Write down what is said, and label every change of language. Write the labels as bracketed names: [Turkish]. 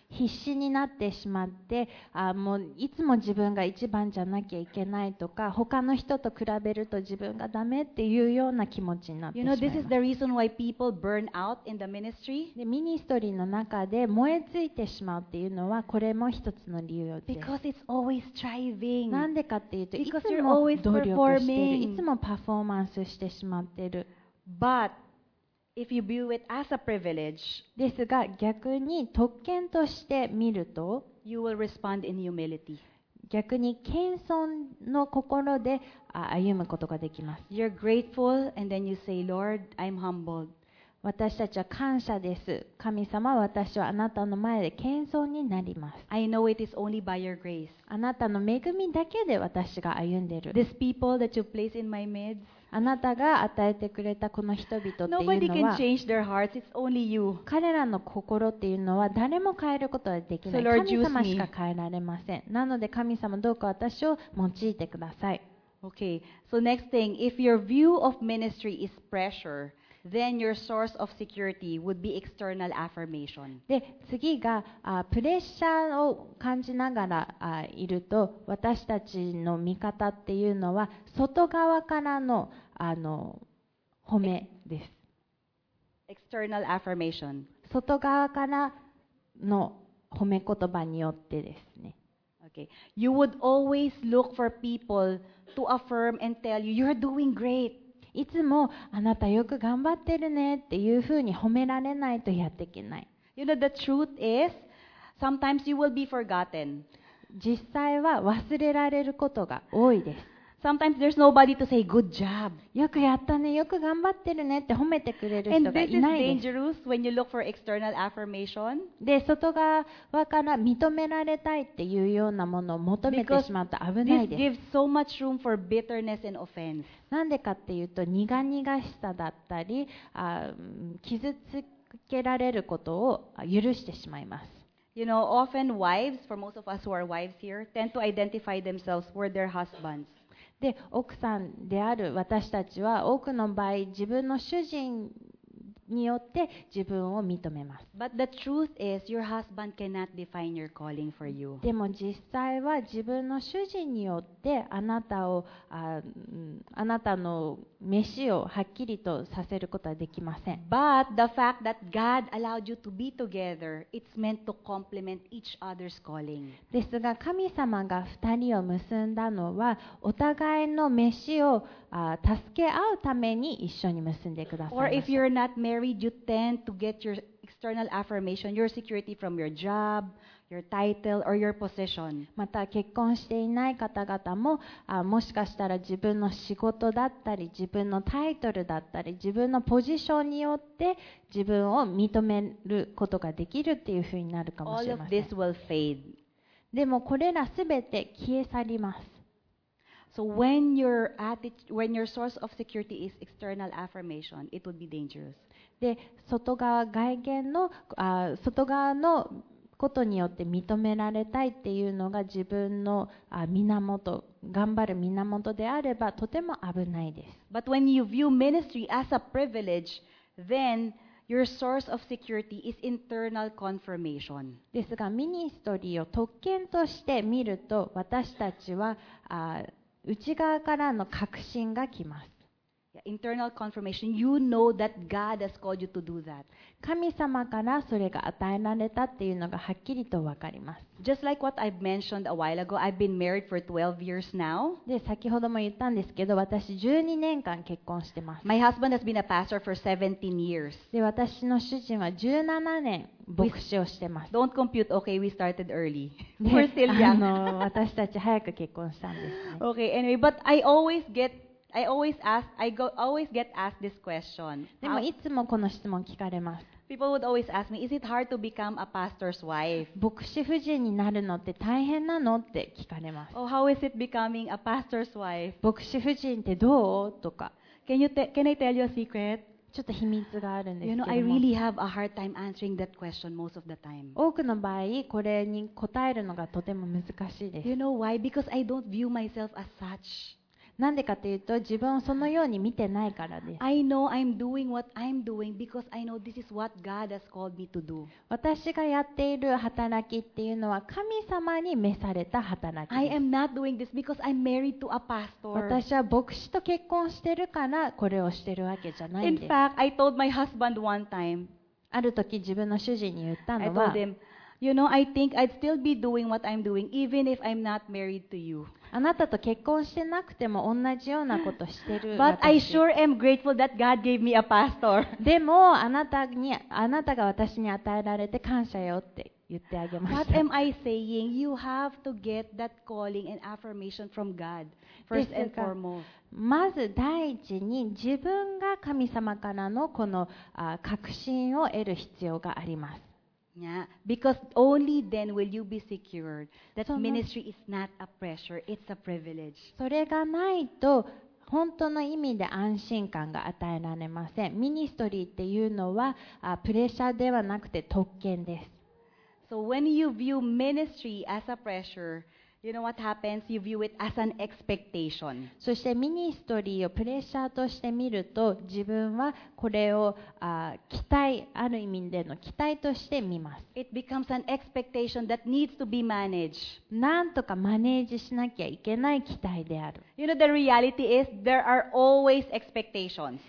[Japanese] 必死になってしまって、もういつも自分が一番じゃなきゃいけないとか、他の人と比べると自分がダメっていうような気持ちになってしまいます。 [English] You know, this is the reason why people burn out in the ministry. [Japanese] で、ミニストリーの中で燃えついてしまうっていうのはこれも一つの理由です。 [English] Because it's always striving. [Japanese] なんでかっていうと、いつも努力してる、いつもパフォーマンスしてしまう。 [English] But if you view it as a privilege, [Japanese] ですが逆に特権として見ると [English] you will respond in humility. [Japanese] 逆に謙遜の心で歩むことができます。 [English] You're grateful and then you say, Lord, I'm humbled. [Japanese] 私たちは感謝です。神様、私はあなたの前で謙遜になります。 [English] I know it is only by your grace. [Japanese] あなたの恵みだけで私が歩んでいる。 [English] These people that you place in my midst. [Japanese] あなたが与えてくれたこの人々っていうのは彼らの心っていうのは誰も変えることはできない神様しか変えられません。なので神様どうか私を用いてください。 [English] Okay, so next thing, if your view of ministry is pressure, then your source of security would be external affirmation. [Japanese] で、次がプレッシャーを感じながらいると私たちの見方っていうのは外側からの褒めです。 [English] External affirmation. [Japanese] 外側からの褒め言葉によってですね。 [English] Okay. You would always look for people to affirm and tell you, you're doing great. [Japanese] いつもあなたよく頑張ってるねっていうふうに褒められないとやっていけない。 [English] You know, the truth is, sometimes you will be forgotten. [Japanese] 実際は忘れられることが多いです。 [English] Sometimes there's nobody to say good job. [Japanese] よくやったね、よく頑張ってるねって褒めてくれる人がいないです。 [English] And this is dangerous when you look for external affirmation. [Japanese] で、外側から認められたいっていうようなものを求めてしまうと危ないです。 [English] Because this gives so much room for bitterness and offense. [Japanese] なんでかっていうと、苦々しさだったり、傷つけられることを許してしまいます。 [English] You know, often wives, for most of us who are wives here, tend to identify themselves with their husbands. [Japanese] で、奥さんである私たちは多くの場合自分の主人によって自分を認めます。 [English] But the truth is, your husband cannot define your calling for you. [Japanese] でも実際は自分の主人によってあなたの飯をはっきりとさせることはできません。 [English] But the fact that God allowed you to be together, it's meant to complement each other's calling. [Japanese] ですが神様が二人を結んだのはお互いの飯を助け合うために一緒に結んでくださいました。 [English] Or if you're not married, you tend to get your external affirmation, your security from your job, your title, or your position. [Japanese] また結婚していない方々も、もしかしたら自分の仕事だったり、自分のタイトルだったり、自分のポジションによって自分を認めることができるっていうふうになるかもしれません。 [English] All of this will fade. [Japanese] でもこれらすべて消え去ります。 [English] So when your attitude, when your source of security is external affirmation, it would be dangerous. [Japanese] で、外側のことによって認められたいっていうのが自分の源、頑張る源であればとても危ないです。 [English] But when you view ministry as a privilege, then your source of security is internal confirmation. [Japanese] ですが、ミニストリーを特権として見ると私たちは内側からの確信がきます。 [English] Yeah, internal confirmation, you know that God has called you to do that. [Japanese] 神様からそれが与えられたっていうのがはっきりとわかります。 [English] Just like what I've mentioned a while ago, I've been married for 12 years now. [Japanese] で、先ほども言ったんですけど、私12年間結婚してます。 [English] My husband has been a pastor for 17 years. [Japanese] で、私の主人は17年牧師をしてます。 [English] Don't compute, okay, we started early. We're still young. [Japanese] 私たち早く結婚したんです、ね。 [English] Okay, anyway, but I always get asked this question. [Japanese] でもいつもこの質問聞かれます。 [English] People would always ask me, is it hard to become a pastor's wife? [Japanese] 牧師夫人になるのって大変なのって聞かれます。 [English] Oh, how is it becoming a pastor's wife? [Japanese] 牧師夫人ってどうとか。 [English] Can I tell you a secret? [Japanese] ちょっと秘密があるんですけども [English] 。You know, I really have a hard time answering that question most of the time. [Japanese] 多くの場合、これに答えるのがとても難しいです。 [English] You know why? Because I don't view myself as such. [Japanese] なんでかというと、自分をそのように見てないからです。 [English] I know I'm doing what I'm doing because I know this is what God has called me to do. [Japanese] 私がやっている働きっていうのは神様に召された働きです。 [English] I am not doing this because I'm married to a pastor. [Japanese] 私は牧師と結婚してるからこれをしてるわけじゃないです。 [English] In fact, I told my husband one time. [Japanese] ある時自分の主人に言ったのは、 [English] I told him, you know, I think I'd still be doing what I'm doing even if I'm not married to you. [Japanese] あなたと結婚してなくても同じようなことしてる私。 [English] But I sure am grateful that God gave me a pastor. [Japanese] でもあなたが私に与えられて感謝よって言ってあげました。 [English] What am I saying? You have to get that calling and affirmation from God first and foremost. [Japanese] まず第一に自分が神様からのこの確信を得る必要があります。 [English] Yeah, because only then will you be secured that ministry is not a pressure, it's a privilege. [Japanese] それがないと本当の意味で安心感が与えられません。ミニストリーっていうのはプレッシャーではなくて特権です。 [English] So when you view ministry as a pressure, you know what happens? You view it as an expectation. [Japanese] そしてミニストリーをプレッシャーとして見ると自分はこれを期待、ある意味での期待として見ます。 [English] It becomes an expectation that needs to be managed. [Japanese] なんとかマネージしなきゃいけない期待である。 [English] You know, the reality is there are always expectations.